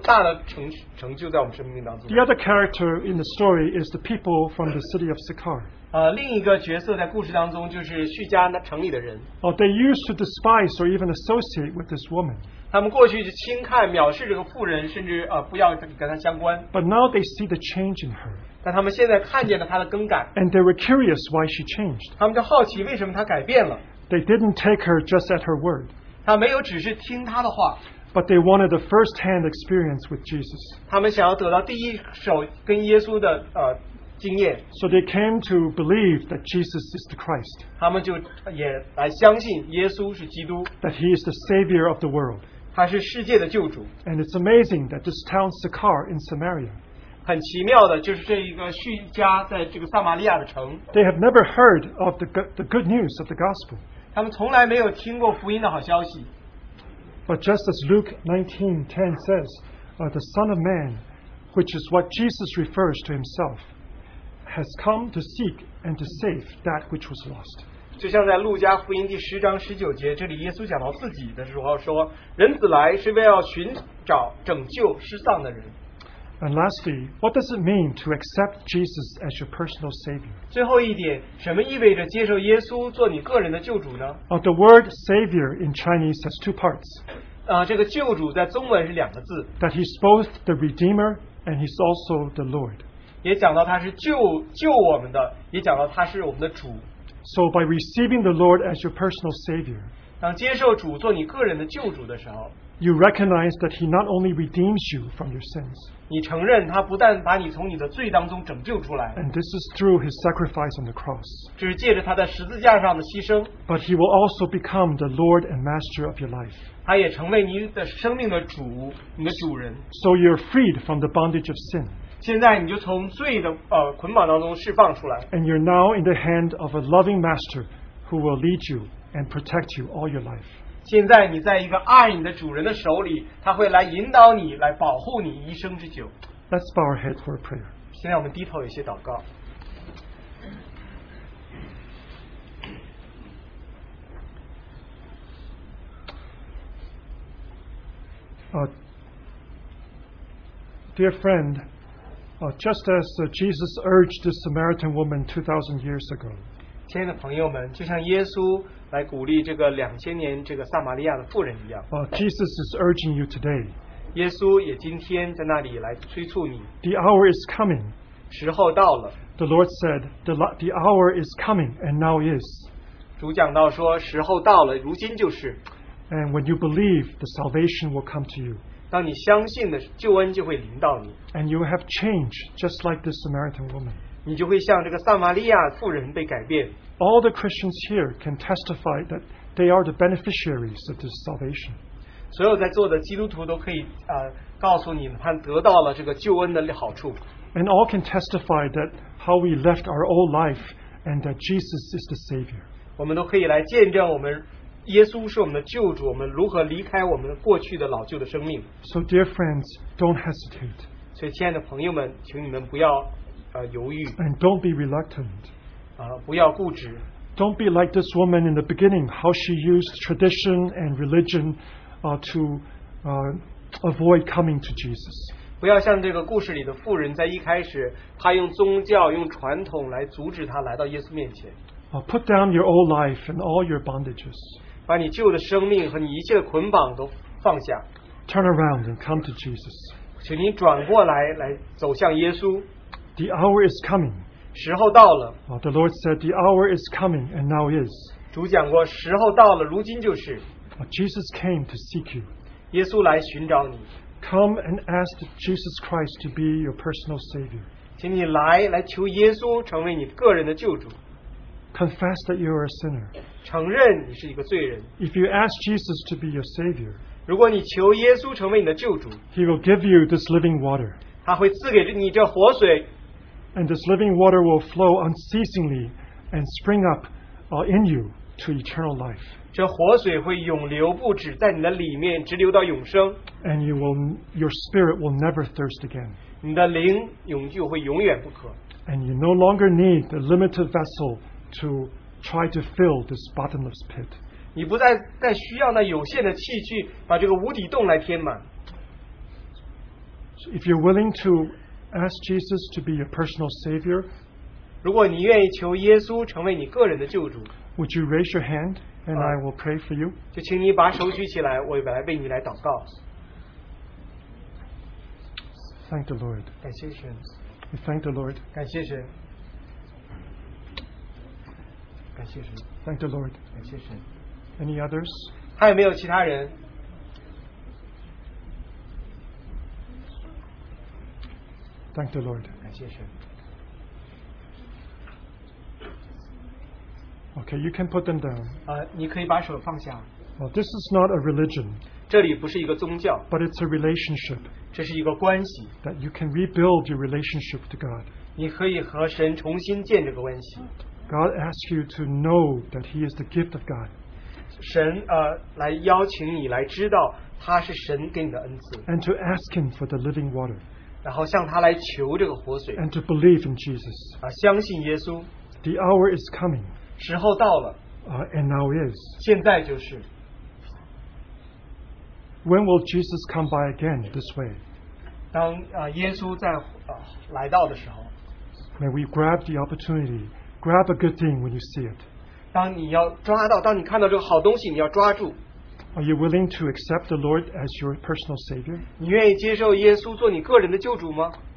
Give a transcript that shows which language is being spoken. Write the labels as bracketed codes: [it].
[zh] 我们来见证耶稣所做的大的工作，大的成就在我们生命当中。 [en] The other character in the story is the people from the city of Sychar. [zh] 另一个角色在故事当中就是叙加城里的人。 [en] They used to despise or even associate with this woman. [zh] 他们过去就轻看藐视这个妇人，甚至不要跟她相关。 [en] But now they see the change in her. [zh] 但他们现在看见了她的更改。 [en] And they were curious why she changed. [zh] 他们就好奇为什么她改变了。 [en] They didn't take her just at her word. [zh] 她没有只是听她的话。 [en] But they wanted a first-hand experience with Jesus. [zh] 他们想要得到第一手跟耶稣的经验。 [en] So they came to believe that Jesus is the Christ. [zh] 他们就也来相信耶稣是基督。 [en] That he is the savior of the world. [zh] 他是世界的救主。 [en] And it's amazing that this town Sychar in Samaria. [zh] 很奇妙的就是这一个叙加在这个撒玛利亚的城。 [en] They have never heard of the good news of the gospel. [zh] 他们从来没有听过福音的好消息。 [en] But just as Luke 19:10 says, the Son of Man, which is what Jesus refers to himself, has come to seek and to save that which was lost. [zh] 就像在路加福音第十章十九节，这里耶稣讲到自己的时候说，人子来是为要寻找拯救失丧的人。 [en] And lastly, what does it mean to accept Jesus as your personal Savior? [zh] 最后一点，什么意味着接受耶稣做你个人的救主呢？ [en] The word Savior in Chinese has two parts. [zh] 这个救主在中文是两个字。 [en] That he's both the Redeemer and he's also the Lord. [zh] 也讲到他是救我们的，也讲到他是我们的主。 [en] So by receiving the Lord as your personal Savior, [zh] 当接受主做你个人的救主的时候， [en] you recognize that he not only redeems you from your sins. [zh] 你承认他不但把你从你的罪当中拯救出来。 [en] And this is through his sacrifice on the cross. [zh] 这是借着他在十字架上的牺牲。 [en] But he will also become the Lord and Master of your life. [zh] 他也成为你的生命的主，你的主人。 [en] So you're freed from the bondage of sin. [zh] 现在你就从罪的捆绑当中释放出来。 [en] And you're now in the hand of a loving master who will lead you and protect you all your life. [zh] 现在你在一个爱你的主人的手里，他会来引导你，来保护你一生之久。 [en] Let's bow our head for a prayer. [zh] 现在我们低头有些祷告。 [en] Dear friend, just as Jesus urged the Samaritan woman 2,000 years ago. [zh] 亲爱的朋友们，就像耶稣来鼓励这个两千年这个撒玛利亚的妇人一样。 [en] Jesus is urging you today. [zh] 耶稣也今天在那里来催促你。 [en] The hour is coming. [zh] 时候到了。 [en] The Lord said, the hour is coming and now is. [zh] 主讲到说时候到了，如今就是。 [en] And when you believe, the salvation will come to you. [zh] 当你相信的救恩就会临到你。 [en] And you have changed just like this Samaritan woman. [zh] 你就会像这个撒玛利亚妇人被改变。 [en] All the Christians here can testify that they are the beneficiaries of this salvation. [zh] 所有在座的基督徒都可以告诉你们，得到了这个救恩的好处。 [en] And all can testify that how we left our old life and that Jesus is the Savior. [zh] 我们都可以来见证我们耶稣是我们的救主，我们如何离开我们过去的老旧的生命。 [en] So dear friends, don't hesitate. [zh] 所以亲爱的朋友们，请你们不要犹豫。 [en] And don't be reluctant. [zh] 不要固执。 [en] Don't be like this woman in the beginning, how she used tradition and religion to avoid coming to Jesus. [zh] 不要像这个故事里的妇人，在一开始她用宗教、用传统来阻止她来到耶稣面前。 [en] Put down your old life and all your bondages. [zh] 把你旧的生命和你一切的捆绑都放下。 [en] Turn around and come to Jesus. [zh] 请你转过来，来走向耶稣。 [en] The hour is coming. [zh] 时候到了。 [en] The Lord said, the hour is coming and now is. [zh] 主讲过，时候到了，如今就是。 [en] Jesus came to seek you. [zh] 耶稣来寻找你。 [en] Come and ask Jesus Christ to be your personal Savior. [zh] 请你来求耶稣成为你个人的救主。 [en] Confess that you are a sinner. [zh] 承认你是一个罪人。 [en] If you ask Jesus to be your Savior, [zh] 如果你求耶稣成为你的救主， [en] He will give you this living water. [zh] 他会赐给你这活水。 [en] And this living water will flow unceasingly and spring up in you to eternal life. [zh] 这活水会永流不止，在你的里面直流到永生。 [en] And your spirit will never thirst again. [zh] 你的灵永就会永远不渴。 [en] And you no longer need the limited vessel to try to fill this bottomless pit. [zh] 你不再需要那有限的器具把这个无底洞来填满。 [en] If you're willing to ask Jesus to be your personal Savior, [zh] 如果你愿意求耶稣成为你个人的救主， [en] would you raise your hand and I will pray for you? [zh] 就请你把手举起来，我来为你来祷告。 [en] Thank the Lord. [zh] 感谢神。 [en] We thank the Lord. [zh] 感谢神。感谢神。 [en] Thank the Lord. [zh] 感谢神。 [en] Any others? [zh] 还有没有其他人？ [en] Thank the Lord. [zh] 感谢神。 [en] Okay, you can put them down. [zh] 你可以把手放下。 [en] Well, this is not a religion. [zh] 这里不是一个宗教。 [en] But it's a relationship. [zh] 这是一个关系。 [en] That you can rebuild your relationship to God. [zh] 你可以和神重新建这个关系。 [en] God asks you to know that He is the gift of God. [zh] 神来邀请你来知道他是神给你的恩赐。 [en] And to ask Him for the living water. [zh] 然后向他来求这个活水。 [en] And to believe in Jesus. [zh] 相信耶稣。 [en] The hour is coming. [zh] 时候到了。 [en] And now is. [zh] 现在就是。 [en] When will Jesus come by again this way? [zh] 当耶稣在来到的时候。 [en] May we grab the opportunity. Grab a good thing when you see it. [zh] 当你要抓到，当你看到这个好东西，你要抓住。 [en] Are you willing to accept the Lord as your personal Savior? [zh] 你愿意接受耶稣做你个人的救主吗？